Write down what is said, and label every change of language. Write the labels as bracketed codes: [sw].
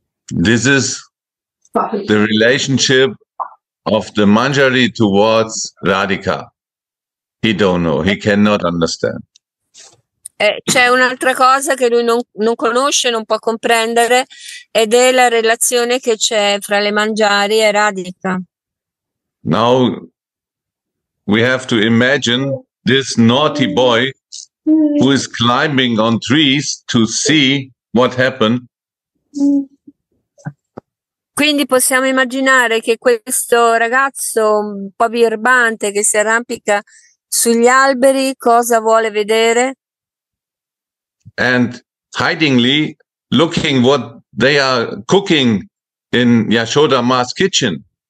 [en] This is the relationship of the Manjari towards Radhika. He don't know. He cannot understand. [it] C'è un'altra cosa che lui non conosce, non può comprendere, ed è la relazione che c'è fra le Manjari e Radhika. [en] Now we have to imagine this naughty boy who is climbing on trees to see what happened. [it] Quindi possiamo immaginare che questo ragazzo un po' birbante che si arrampica Sugli alberi cosa vuole vedere? [en] And hidingly looking what they are cooking in Yashoda Ma's kitchen.